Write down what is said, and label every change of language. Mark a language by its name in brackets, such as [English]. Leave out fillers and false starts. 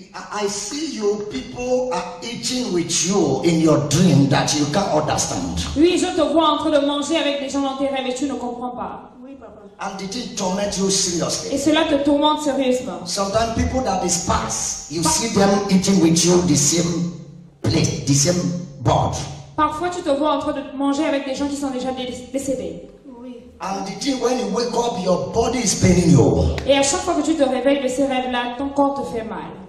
[English] I see you, people are eating with you in your dream that you can't understand. [French] Oui, je te vois en train de manger avec des gens dans tes rêves, mais tu ne comprends pas. [English] And it torment you seriously. [French] Et cela te tourmente sérieusement. [English] Sometimes people that is past, you see them eating with you the same plate, the same board. [French] Parfois tu te vois en train de manger avec des gens qui sont déjà décédés. Oui. [English] And it when you wake up, your body is paining you. [French] Et à chaque fois que tu te réveilles de ces rêves-là, ton corps te fait mal.